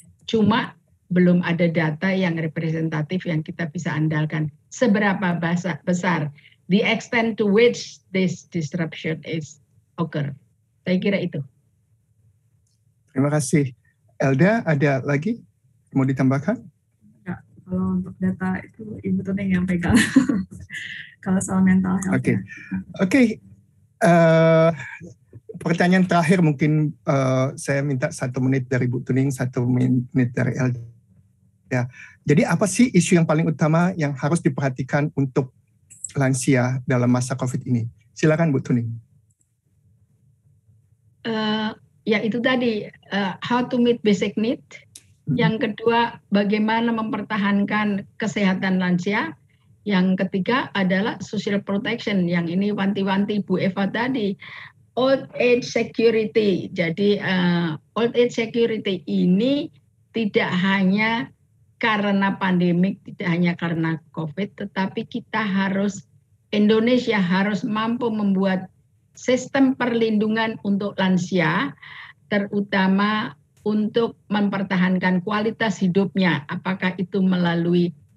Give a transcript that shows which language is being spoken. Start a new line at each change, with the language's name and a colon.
Indonesian: Cuma belum ada data yang representatif yang kita bisa andalkan. Seberapa besar
English: the extent to which this disruption is occur.
Indonesian: Saya kira itu. Terima kasih. Elda, ada lagi mau ditambahkan? Ya, kalau untuk data itu Ibu Tuti yang pegang. Kalau soal
English: mental health.
Indonesian: Oke. Okay. Pertanyaan terakhir mungkin saya minta 1 menit dari Bu Tuning, 1 menit dari Elda. Ya. Jadi apa sih isu yang paling utama yang harus diperhatikan untuk lansia dalam masa COVID ini? Silakan Bu Tuning. Ya itu tadi,
English: how to meet basic need.
Indonesian: Yang kedua, bagaimana mempertahankan kesehatan lansia. Yang ketiga adalah
English: social protection.
Indonesian: Yang ini wanti-wanti Bu Eva tadi.
English: Old age security.
Indonesian: Jadi old age security ini tidak hanya karena pandemik, tidak hanya karena COVID, tetapi kita harus, Indonesia harus mampu membuat sistem perlindungan untuk lansia, terutama untuk mempertahankan kualitas hidupnya, apakah itu melalui